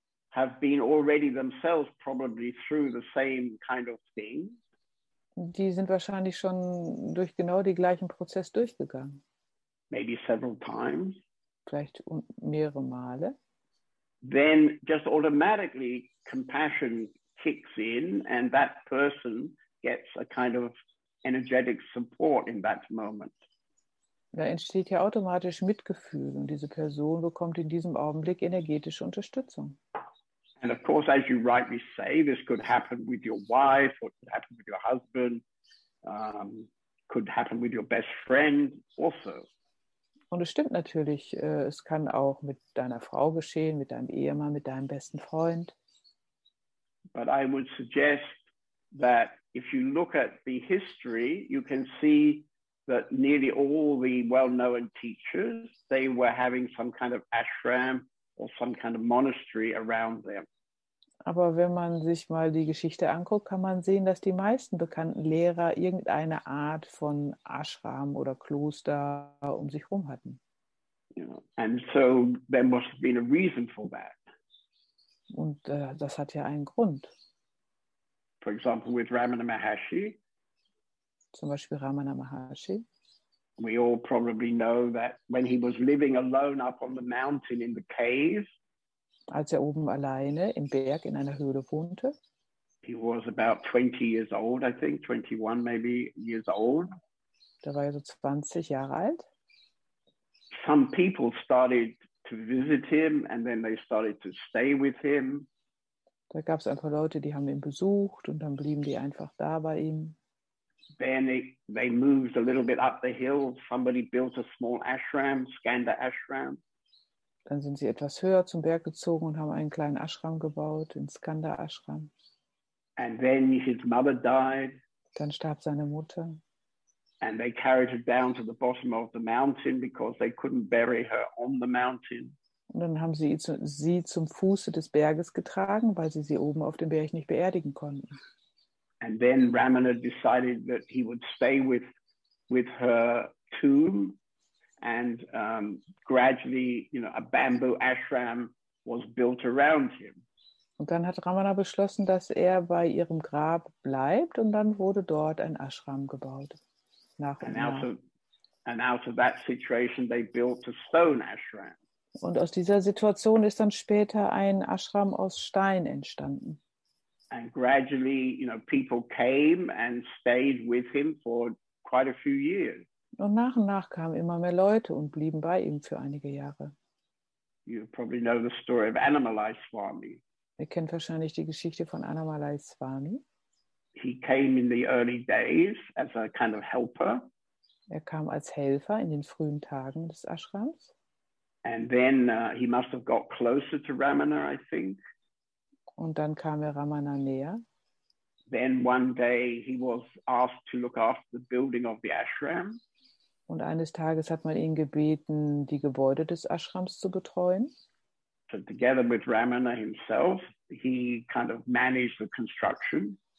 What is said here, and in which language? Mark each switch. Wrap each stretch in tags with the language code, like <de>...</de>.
<en>have been already themselves probably through the same kind of thing.</en> <de>Die sind wahrscheinlich schon durch genau den gleichen Prozess durchgegangen.</de> <en>Maybe several times.</en> <de>Vielleicht mehrere Male.</de> <en>Then just automatically compassion kicks in and that person gets a kind of energetic support in that moment.</en> <de>Da entsteht ja automatisch Mitgefühl und diese Person bekommt in diesem Augenblick energetische Unterstützung.</de> <en>And of course, as you rightly say, this could happen with your wife or could happen with your husband, could happen with your best friend also.</en> <de>Und es stimmt natürlich, es kann auch mit deiner Frau geschehen, mit deinem Ehemann, mit deinem besten Freund.</de> <en>But I would suggest that if you look at the history, you can see that nearly all the well-known teachers, they were having some kind of ashram or some kind of monastery around them.</en> <de>Aber wenn man sich mal die Geschichte anguckt, kann man sehen, dass die meisten bekannten Lehrer irgendeine Art von Ashram oder Kloster um sich herum hatten.</de> <en>Yeah. And so there must have been a reason for that.</en> <de>Und das hat ja einen Grund.</de> <en>For example, with Ramana Maharshi.</en> <de>Zum Beispiel Ramana Maharshi.</de> <en>We all probably know that when he was living alone up on the mountain in the cave,</en> <de>als er oben alleine im Berg in einer Höhle wohnte.</de> <en>He was about 20 years old, I think, 21 maybe years old.</en> <de>Da war er so 20 Jahre alt.</de> <en>Some people started to visit him and then they started to stay with him.</en> <de>Da gab es ein paar Leute, die haben ihn besucht und dann blieben die einfach da bei ihm.</de> <en>Then they moved a little bit up the hill. Somebody built a small ashram, Skanda Ashram.</en> <de>Dann sind sie etwas höher zum Berg gezogen und haben einen kleinen Ashram gebaut, den Skanda Ashram.</de> <en>And then his mother died.</en> <de>Dann starb seine Mutter.</de> <en>And they carried her down to the bottom of the mountain because they couldn't bury her on the mountain.</en> <de>Und dann haben sie sie zum Fuße des Berges getragen, weil sie sie oben auf dem Berg nicht beerdigen konnten.</de> <en>And then Ramana decided that he would stay with her tomb. And gradually, you know, a bamboo ashram was built around him.</en> <de>Und dann hat Ramana beschlossen, dass er bei ihrem Grab bleibt und dann wurde dort ein Ashram gebaut. Nach und nach.</de> <en>And out of that situation they built a stone ashram.</en> <de>Und aus dieser Situation ist dann später ein Ashram aus Stein entstanden.</de> <en>And gradually, you know, people came and stayed with him for quite a few years.</en> <de>Und nach kamen immer mehr Leute und blieben bei ihm für einige Jahre.</de> <en>You probably know the story of Annamalaiswamy.</en> <de>Ihr kennt wahrscheinlich die Geschichte von Annamalaiswamy.</de> <en>He came in the early days as a kind of helper.</en> <de>Er kam als Helfer in den frühen Tagen des Ashrams.</de> <en>And then he must have got closer to Ramana, I think.</en> <de>Und dann kam er Ramana näher.</de> <en>Then one day he was asked to look after the building of the ashram.</en> <de>Und eines Tages hat man ihn gebeten, die Gebäude des Ashrams zu betreuen.</de> <en>So together with Ramana himself, he kind of managed the construction.</en>